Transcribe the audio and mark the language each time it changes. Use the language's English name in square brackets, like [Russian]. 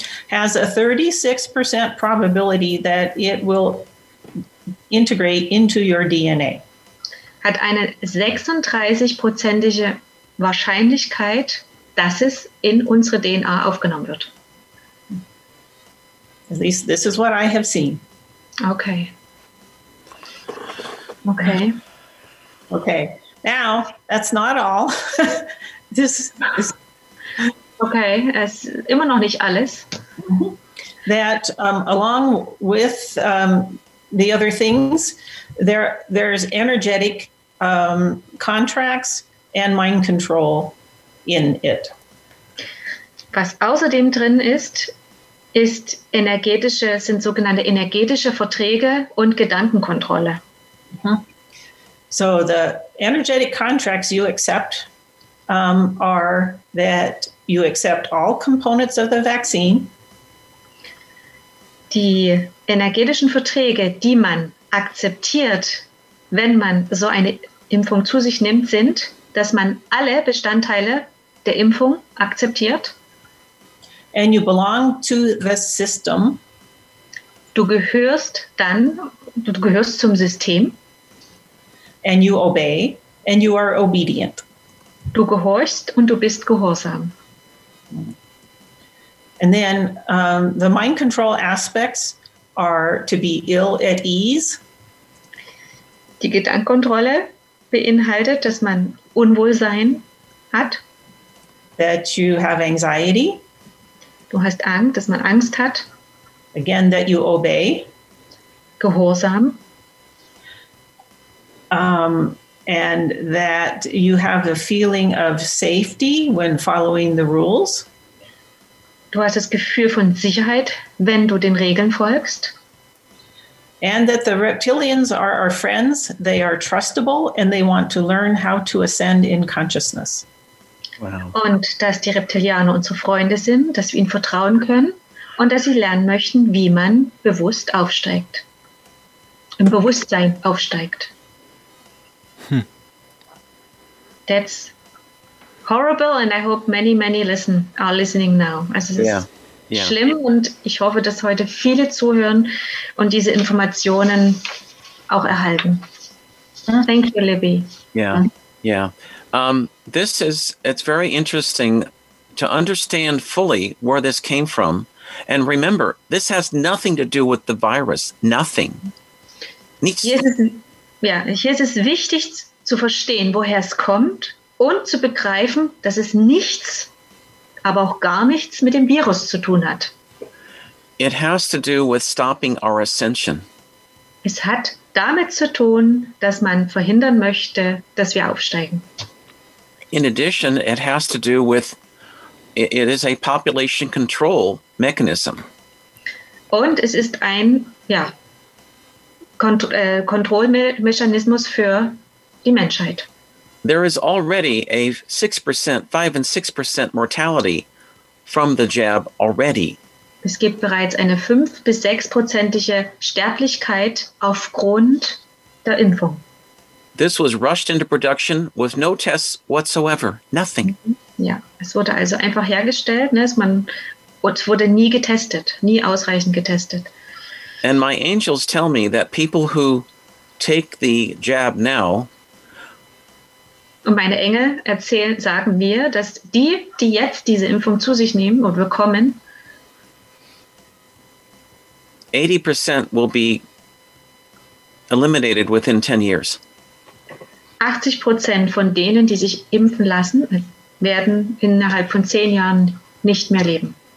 [English] has a 36% probability that it will integrate into your DNA. [German] Hat eine 36-prozentige Wahrscheinlichkeit, dass es in unsere DNA aufgenommen wird. [English] At least this is what I have seen. Okay. Okay. Okay. Now, that's not all. This is... [German] Okay, es ist immer noch nicht alles. [English] That along with the other things, there's energetic contracts and mind control in it. [German] Was außerdem drin ist, ist energetische, sind sogenannte energetische Verträge und Gedankenkontrolle. [English] So the energetic contracts you accept are that you accept all components of the vaccine. [German] Die energetischen Verträge, die man akzeptiert, wenn man so eine Impfung zu sich nimmt, sind, dass man alle Bestandteile der Impfung akzeptiert. [English] And you belong to the system. [German] Du gehörst zum System. [English] And you obey and you are obedient. [German] Du gehorchst und du bist gehorsam. [English] And then the mind control aspects are to be ill at ease. [German] Die Gedankenkontrolle beinhaltet, dass man Unwohlsein hat. [English] That you have anxiety. [German] Du hast Angst, dass man Angst hat. [English] Again, that you obey. [German] Gehorsam. [English] that you have the feeling of safety when following the rules. [German] Du hast das Gefühl von Sicherheit, wenn du den Regeln folgst. [English] And that the reptilians are our friends, they are trustable and they want to learn how to ascend in consciousness. Wow. [German] Und dass die Reptilianer unsere Freunde sind, dass wir ihnen vertrauen können und dass sie lernen möchten, wie man bewusst aufsteigt, im Bewusstsein aufsteigt. [English] That's horrible and I hope many, many are listening now. [German] Also es ist schlimm und ich hoffe, dass heute viele zuhören und diese Informationen auch erhalten. [English] Thank you, Libby. It's very interesting to understand fully where this came from. And remember, this has nothing to do with the virus. Nothing. [German] Hier ist es wichtig zu verstehen, woher es kommt und zu begreifen, dass es nichts, aber auch gar nichts mit dem Virus zu tun hat. [English] It has to do with stopping our ascension. [German] Es hat damit zu tun, dass man verhindern möchte, dass wir aufsteigen. [English] In addition, it has to do with, it is a population control mechanism. [German] Und es ist ein, ja, Kontrollmechanismus für die Menschheit. [English] There is already a 5-6% mortality from the jab already. [German] Es gibt bereits eine 5-6%ige Sterblichkeit aufgrund der Impfung. [English] This was rushed into production with no tests whatsoever, nothing. [German] Ja, es wurde also einfach hergestellt, ne? Es wurde nie getestet, nie ausreichend getestet. [English] And my angels tell me that people who take the jab now. [German] Und meine Engel erzählen, sagen mir, dass die, die jetzt diese Impfung zu sich nehmen und bekommen, [English] 80% will be eliminated within 10 years. [German] 80% von denen, die sich impfen lassen, werden innerhalb von 10 Jahren nicht mehr leben.